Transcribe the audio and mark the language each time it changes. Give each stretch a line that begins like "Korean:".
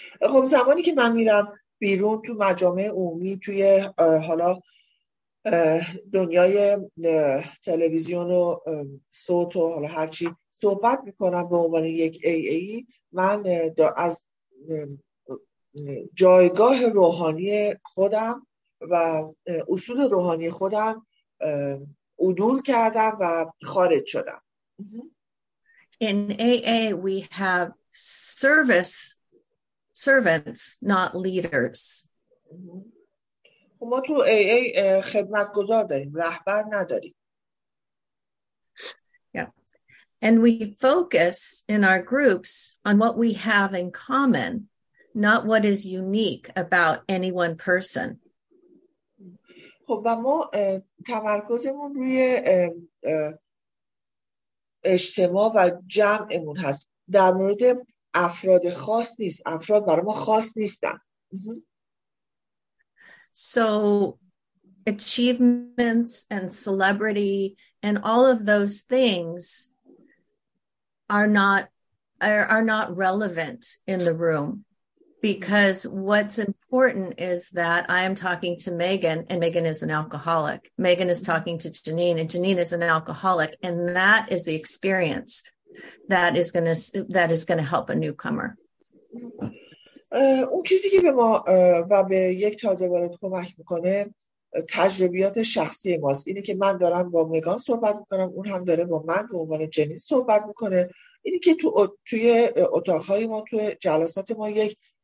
Persian: خب زمانی که من میرم بیرون تو مجامع عمومی توی حالا دنیای تلویزیون و صوت و حالا هرچی صحبت میکنم به عنوان یک ای ای، من از جایگاه روحانی خودم و اصول روحانی خودم عدول کردم و خارج شدم.
English: In AA we have servants, not leaders.
Persian: ما تو AA خدمتگزار داریم، رهبر نداریم.
English: Yeah. And we focus in our groups on what we have in common, not what is unique about any one person.
Persian: خب ما تمرکزمون روی اجتماع و جمعمون هست، در مورد افراد خاص نیست، افراد برای ما خاص نیستن.
English: So achievements and celebrity and all of those things are not relevant in the room. Because what's important is that I am talking to Megan, and Megan is an alcoholic. Megan is talking to Janine, and Janine is an alcoholic, and that is the experience that is going to help a newcomer.
Persian: اون چیزی که به ما و به یک تازه وارد کمک میکنه تجربیات شخصی ماست. اینی که من دارم با مگان صحبت میکنم، اون هم داره با من به عنوان جنین صحبت میکنه. اینی که توی اتاقهای ما، توی جلسات ما، یک